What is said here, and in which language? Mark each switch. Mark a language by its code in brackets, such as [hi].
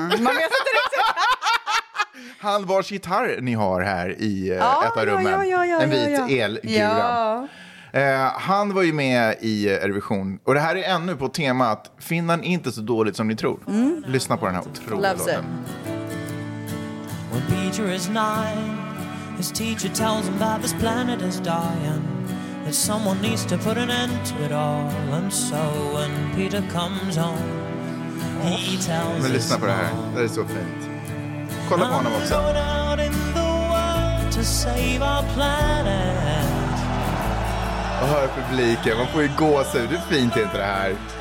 [sv] Man vet inte riktigt. Han vars gitarr ni har här i ett av rummen. Ja. En vit elgura. Ja. Han var ju med i Eurovision. Och det här är ännu på temat Finland är inte så dåligt som ni tror. Mm. Lyssna på den här otroliga [en] Loves [sv] låten. [en] When Peter is nine. His teacher tells him that this planet is dying, that someone needs to put an end to it all. And so when Peter comes home, he tells [sv] Men lyssna på det här, det är så fint. Kolla på honom också. [en] I'm going out in the world to save our planet. [sv] Och hör publiken, man får ju gåshud, det är fint inte det här.